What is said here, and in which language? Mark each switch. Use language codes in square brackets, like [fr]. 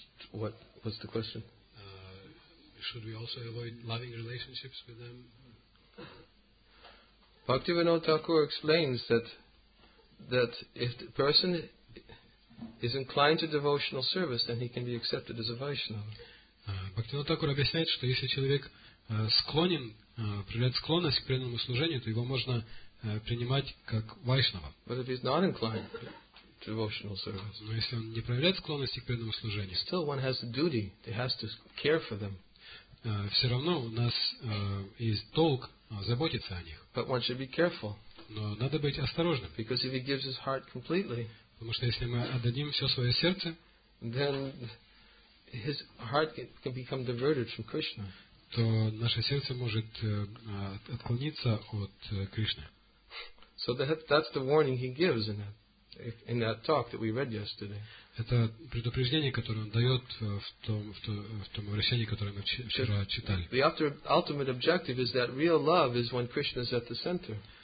[en] What was the question? Should we also avoid loving relationships with them? Bhaktivinoda Thakur explains that if the person is inclined to devotional service, then he can be accepted as a Vaishnava. [ru] Бхактивинода Тхакур объясняет, что если человек склонен, проявляет склонность к преданному служению, то его можно принимать как вайшнава. Но если он не проявляет склонности к преданному служению, все равно у нас есть долг заботиться о них. [en] But one should be careful. [ru] Но надо быть осторожным. [en] Because if he gives his heart completely, [ru] потому что если мы отдадим все свое сердце, [en] then his heart can become diverted from Krishna. [ru] То наше сердце может отклониться от Кришны. [en] So that's the warning he gives in that talk that we read yesterday. [ru] Это предупреждение, которое он дает в том обращении, которое мы вчера читали. [en] The ultimate objective is that real love is when Krishna is at the center.